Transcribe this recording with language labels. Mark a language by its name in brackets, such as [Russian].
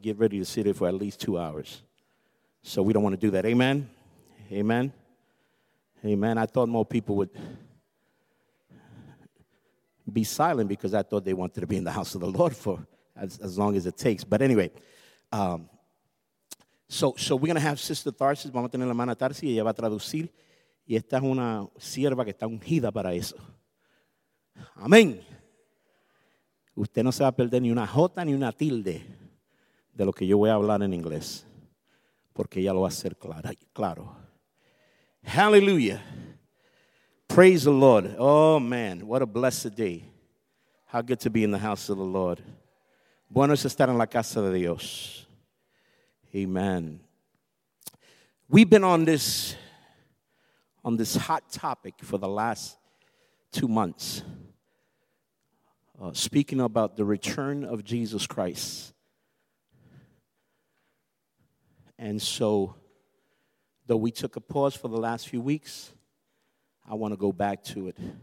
[English] Get ready to sit here for at least 2 hours. So we don't want to do that. Amen? Amen? Amen. I thought more people would be silent because I thought they wanted to be in the house of the Lord for as long as it takes. But anyway, so we're going to have Sister Tharsis. [Spanish] Vamos a tener la hermana Tharsis y ella va a traducir. Y esta es una sierva que está ungida para eso. Amén. Usted no se va a perder ni una jota ni una tilde de lo que yo voy a hablar en inglés, porque ella lo va a hacer claro. [English] Hallelujah. Praise the Lord. Oh, man, what a blessed day. How good to be in the house of the Lord. [Spanish] Bueno es estar en la casa de Dios. [English] Amen. We've been on this hot topic for the last 2 months, speaking about the return of Jesus Christ. And so, though we took a pause for the last few weeks, I want to go back to it.